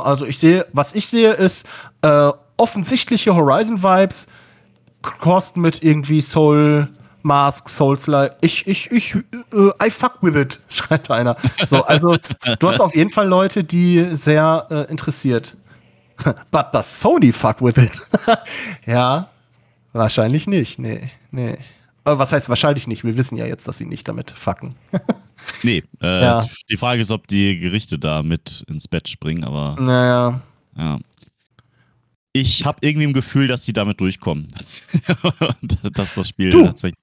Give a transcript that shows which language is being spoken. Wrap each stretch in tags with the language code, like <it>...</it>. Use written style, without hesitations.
<de>Also was ich sehe, ist offensichtliche Horizon-Vibes, crossed mit irgendwie Soul Mask, Souls-like,</de> <en>I fuck with it,</en> <de>schreibt einer. So, also du hast auf jeden Fall Leute, die sehr interessiert.</de> <en>But does Sony fuck with it?</en> <de>Ja, wahrscheinlich nicht. Nee. Aber was heißt wahrscheinlich nicht? Wir wissen ja jetzt, dass sie nicht damit fucken. Die Frage ist, ob die Gerichte da mit ins Bett springen, aber. Naja. Ja. Ich habe irgendwie ein Gefühl, dass sie damit durchkommen. Dass das Spiel tatsächlich.</de>